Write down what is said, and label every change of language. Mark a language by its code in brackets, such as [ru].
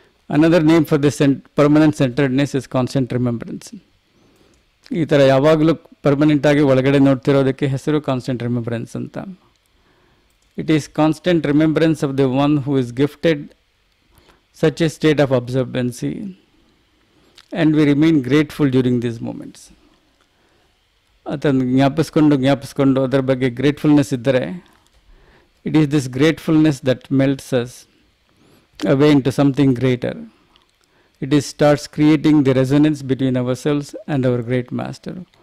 [en] Another name for this permanent centredness is constant remembrance. [kn] ಈ ಥರ ಯಾವಾಗಲೂ ಪರ್ಮನೆಂಟಾಗಿ ಒಳಗಡೆ ನೋಡ್ತಿರೋದಕ್ಕೆ ಹೆಸರು ಕಾನ್ಸ್ಟೆಂಟ್ ರಿಮೆಂಬ್ರೆನ್ಸ್ ಅಂತ. [en] It is constant remembrance of the one who is gifted such a state of observancy, and we remain grateful during these moments. [kn] ಅದನ್ನು ಜ್ಞಾಪಿಸ್ಕೊಂಡು ಜ್ಞಾಪಿಸ್ಕೊಂಡು ಅದರ ಬಗ್ಗೆ gratefulness ಇದ್ದರೆ, [en] It is this gratefulness that melts us away into something greater. It is starts creating the resonance between our selves and our great master.